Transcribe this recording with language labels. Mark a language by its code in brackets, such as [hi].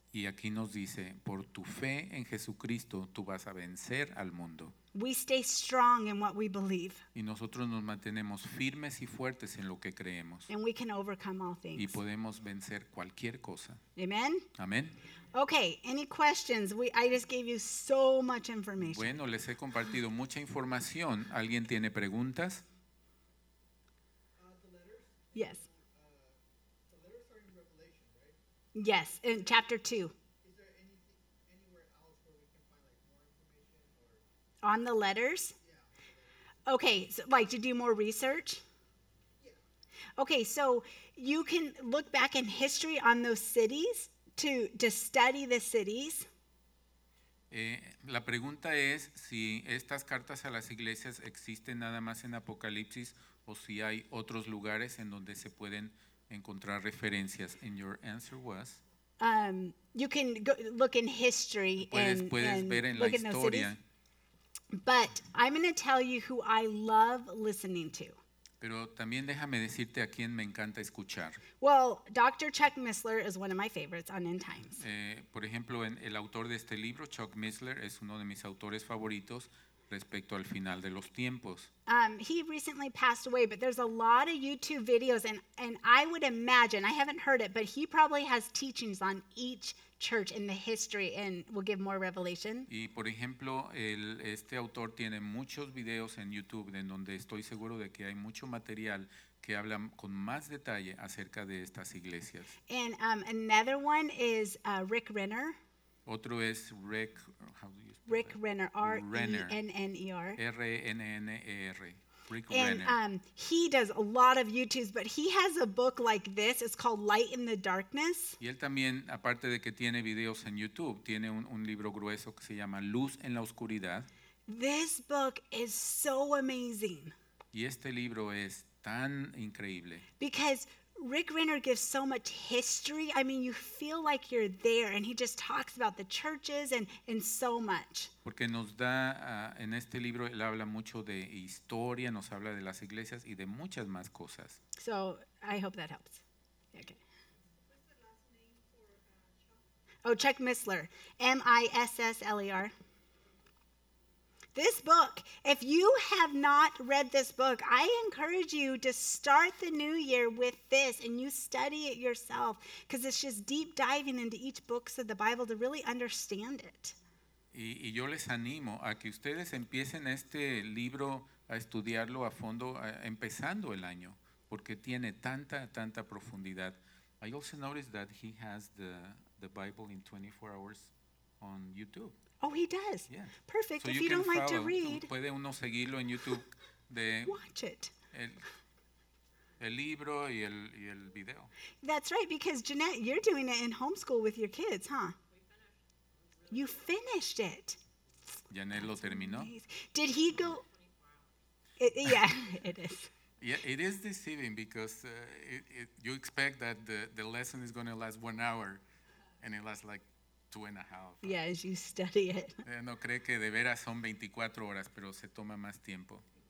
[es] Y aquí nos dice, por tu fe en Jesucristo, tú vas a vencer al mundo. [en] We stay strong in what we believe. [es] Y nosotros nos mantenemos firmes y fuertes en lo que creemos. [en] And we can overcome all things. [es] Y podemos vencer cualquier cosa. [en] Amen. Amen. Okay, any questions? I just gave you so much information. [es] Bueno, les he compartido mucha información. ¿Alguien tiene preguntas? [en] Yes. Yes, in chapter 2. Is there anywhere else where we can find more information? On the letters? Yeah. Okay, so, like to do more research? Yeah. Okay, so you can look back in history on those cities to study the cities. [es] La pregunta es si estas cartas a las iglesias existen nada más en Apocalipsis o si hay otros lugares en donde se pueden encontrar referencias. [en] And your answer was, you can go look in history [es] puedes ver en la historia. [en] But I'm going to tell you who I love listening to. [es] Pero también déjame decirte a quién me encanta escuchar. [en] Well, Dr. Chuck Missler is one of my favorites on End Times. [es] Por ejemplo, el autor de este libro, Chuck Missler, es uno de mis autores favoritos respecto al final de los tiempos. [en] He recently passed away, but there's a lot of YouTube videos, and I would imagine, I haven't heard it, but he probably has teachings on each church in the history and will give more revelation. [es] Y por ejemplo, este autor tiene muchos videos en YouTube en donde estoy seguro de que hay mucho material que habla con más detalle acerca de estas iglesias. [en] And another one is Rick Renner. [es] Otro es [en] Rick, how do you spell Rick Renner, R-E-N-N-E-R. R-E-N-N-E-R. Rick and, Renner. He does a lot of YouTubes, but he has a book like this. It's called Light in the Darkness. [es] Y él también, aparte de que tiene videos en YouTube, tiene un libro grueso que se llama Luz en la Oscuridad. [en] This book is so amazing. [es] Y este libro es tan increíble. [en] Because Rick Renner gives so much history. I mean, you feel like you're there, and he just talks about the churches and so much. [es] Porque nos da en este libro él habla mucho de historia, nos habla de las iglesias y de muchas más cosas. [en] So I hope that helps. Okay. What's the last name for Chuck Missler, M-I-S-S-L-E-R. This book, if you have not read this book, I encourage you to start the new year with this and you study it yourself, because it's just deep diving into each book of the Bible to really understand it. Y yo les animo a que ustedes empiecen este libro a estudiarlo a fondo, empezando el año, porque tiene tanta, tanta profundidad. I also noticed that he has the Bible in 24 hours on YouTube. Oh, he does. Yeah. Perfect. So if you don't like to read, [es] puede uno seguirlo en YouTube de [en] watch it. [es] El libro y el video. [en] That's right, because Jeanette, you're doing it in homeschool with your kids, huh? You finished it. [es] Jeanette lo terminó. [en] Did he go? Yeah, it is. Yeah, it is deceiving because you expect that the lesson is going to last 1 hour, and it lasts like 2.5. Yeah, as you study it. [es] No cree que de veras son 24 horas, pero se toma más tiempo.